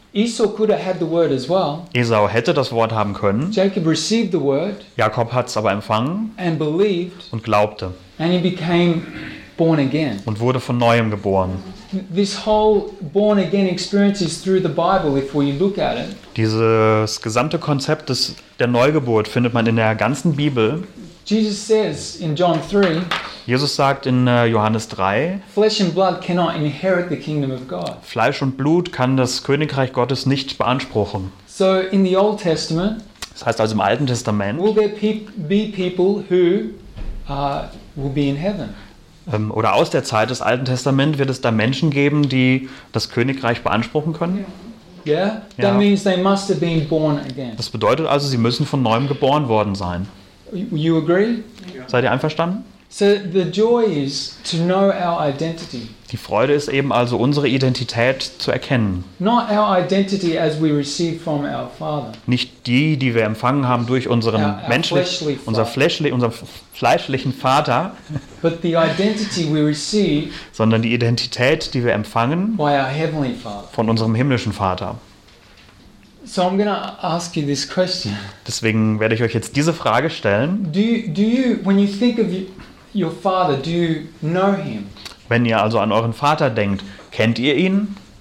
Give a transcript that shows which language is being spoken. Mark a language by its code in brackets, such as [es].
[en] Esau could have had the word as well. [de] Esau hätte das Wort haben können. [en] Jacob received the word. [de] Jakob hat es aber empfangen. [en] And believed. [de] Und glaubte. [en] And he became born again. [de] Und wurde von neuem geboren. [en] This whole born again experience is through the Bible if we look at it. [de] Dieses gesamte Konzept des der Neugeburt findet man in der ganzen Bibel. [en] Jesus says in John 3. [de] Jesus sagt in Johannes 3. [en] Flesh and blood cannot inherit the kingdom of God. [de] Fleisch und Blut kann das Königreich Gottes nicht beanspruchen. [en] So in the Old Testament. [de] Das heißt also im Alten Testament. [en] Will there be people who will be in heaven? [de] Oder aus der Zeit des Alten Testaments wird es da Menschen geben, die das Königreich beanspruchen können? [en] Yeah. That means they must have been born again. [de] Das bedeutet also, sie müssen von neuem geboren worden sein. [en] You agree? [de] Seid ihr einverstanden? [en] So the joy is to know our identity. [de] Die Freude ist eben also, unsere Identität zu erkennen. [en] Not our identity as we receive from our father. [de] Nicht die, die wir empfangen haben durch unseren unser fleischlichen Vater. [en] But the identity we receive, [de] sondern die Identität, die wir empfangen [en] by our heavenly father. [de] Von unserem himmlischen Vater. [en] So I'm gonna ask you this question. [de] Deswegen werde ich euch jetzt diese Frage stellen. [en] Do you, when you think of your father, do you know him? [de] Wenn ihr also an euren Vater denkt, kennt ihr ihn?